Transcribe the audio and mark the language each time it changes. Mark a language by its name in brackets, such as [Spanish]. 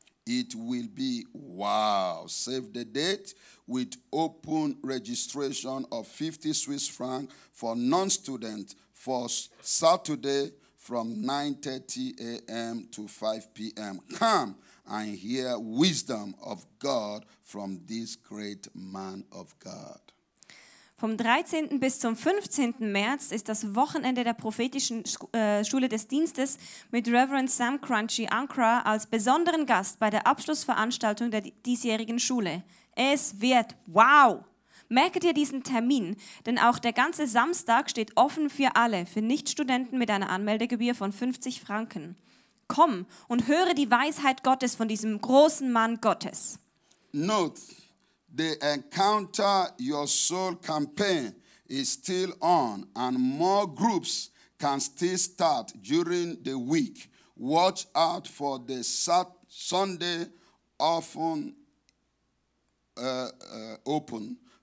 [English] It will be wow. Save the date with open registration of 50 Swiss francs for non-students for Saturday from 9:30 a.m. to 5 p.m. Come and hear wisdom of God from this great man of God. [German] Vom 13. bis zum 15. März ist das Wochenende der prophetischen Schule des Dienstes mit Reverend Sam Kranchi Ankra als besonderen Gast bei der Abschlussveranstaltung der diesjährigen Schule. Es wird wow! Merke dir diesen Termin, denn auch der ganze Samstag steht offen für alle, für Nichtstudenten mit einer Anmeldegebühr von 50 Franken. Komm und höre die Weisheit Gottes von diesem großen Mann Gottes. [English] Note, the Encounter Your Soul campaign is still on and more groups can still start during the week. Watch out for the Sunday often open.